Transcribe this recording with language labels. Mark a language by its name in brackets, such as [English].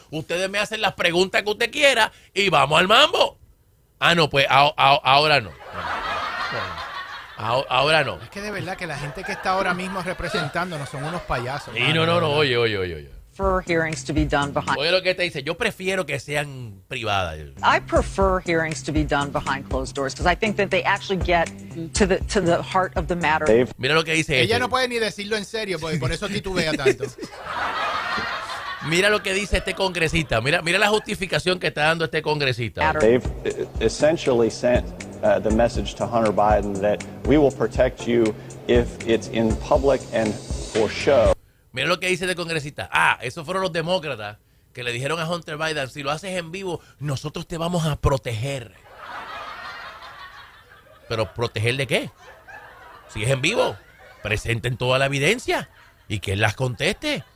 [Spanish] Ustedes me hacen las preguntas que usted quiera y vamos al mambo. Ah, no, pues ahora no. Ahora no. Es que de verdad que la gente que está ahora mismo representándonos son unos payasos. Y no, oye. [English] For hearings to be done behind. [Spanish] Oye lo que te dice, yo prefiero que sean privadas. [English] I prefer hearings to be done behind closed doors because I think that they actually get to the heart of the matter. Dave. [Spanish] Mira lo que dice. Ella no puede ni decirlo en serio, porque por eso titubea tanto. Mira lo que dice este congresista. Mira la justificación que está dando este congresista. [English] They've essentially sent the message to Hunter Biden that we will protect you if it's in public and for show. [Spanish] Mira lo que dice el congresista. Ah, esos fueron los demócratas que le dijeron a Hunter Biden, si lo haces en vivo, nosotros te vamos a proteger. ¿Pero proteger de qué? Si es en vivo, presenten toda la evidencia y que él las conteste.